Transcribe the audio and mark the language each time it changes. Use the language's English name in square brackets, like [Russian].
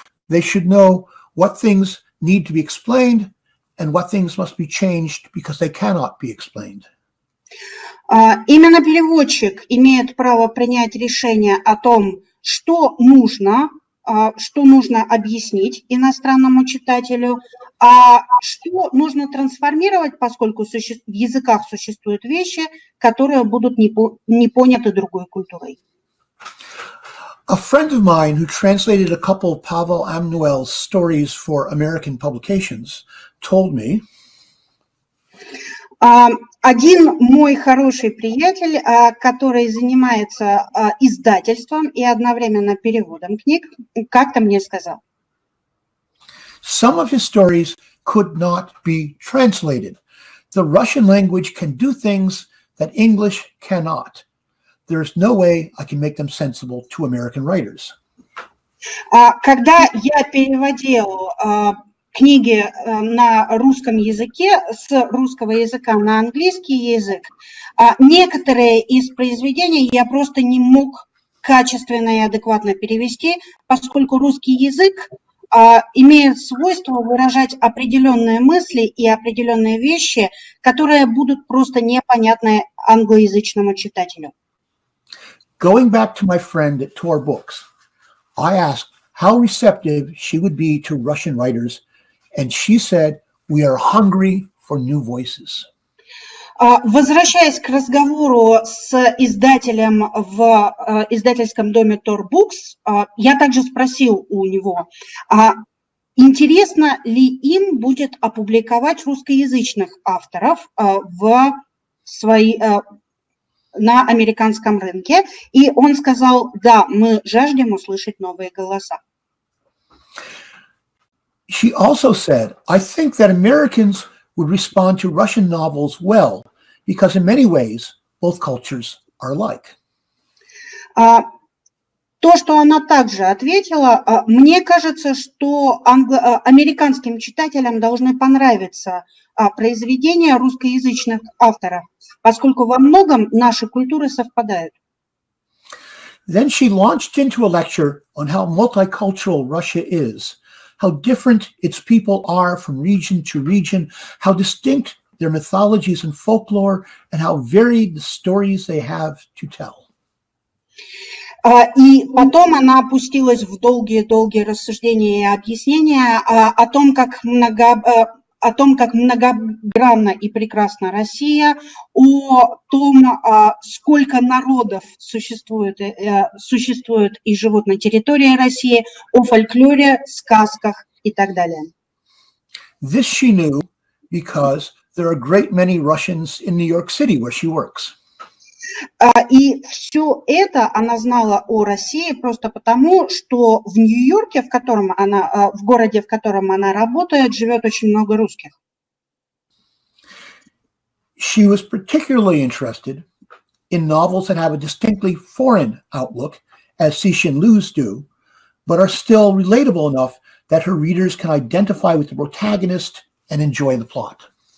[English] They should know what things need to be explained and what things must be changed because they cannot be explained. [Russian] Именно переводчик имеет право принять решение о том, что нужно объяснить иностранному читателю, а что нужно трансформировать, поскольку в языках существуют вещи, которые будут не поняты другой культурой. [English] A friend of mine who translated a couple of Pavel Amnuel's stories for American publications told me. [Russian] Один мой хороший приятель, который занимается издательством и одновременно переводом книг, как-то мне сказал. [English] Some of his stories could not be translated. The Russian language can do things that English cannot. There is no way I can make them sensible to American writers. [Russian] Когда я переводил книги на русском языке с русского языка на английский язык, некоторые из произведений я просто не мог качественно и адекватно перевести, поскольку русский язык имеет свойство выражать определенные мысли и определенные вещи, которые будут просто непонятны англоязычному читателю. [English] Going back to my friend at Tor Books, I asked how receptive she would be to Russian writers, and she said, "We are hungry for new voices." [Russian] Возвращаясь к разговору с издателем в издательском доме Tor Books, я также спросил у него, интересно ли им будет опубликовать русскоязычных авторов на американском рынке. И он сказал, да, мы жаждем услышать новые голоса. [English] She also said, I think that Americans would respond to Russian novels well, because in many ways, both cultures are alike. [Russian] То, что она также ответила, мне кажется, что американским читателям должны понравиться произведения русскоязычных авторов, поскольку во многом наши культуры совпадают. [English] Then she launched into a lecture on how multicultural Russia is, how different its people are from region to region, how distinct their mythologies and folklore, and how varied the stories they have to tell. [Russian] И потом она опустилась в долгие-долгие рассуждения и объяснения о том, как многогранна и прекрасна Россия, о том, сколько народов существует и живут на территории России, о фольклоре, сказках и так далее. [English] This she knew because there are a great many Russians in New York City where she works. [Russian] И все это она знала о России просто потому, что в Нью-Йорке, в городе, в котором она работает, живет очень много русских. [English] She was particularly interested in novels that have a distinctly foreign outlook, as Cixin Liu's do, but are still relatable enough that her readers can identify with the protagonist and enjoy the plot.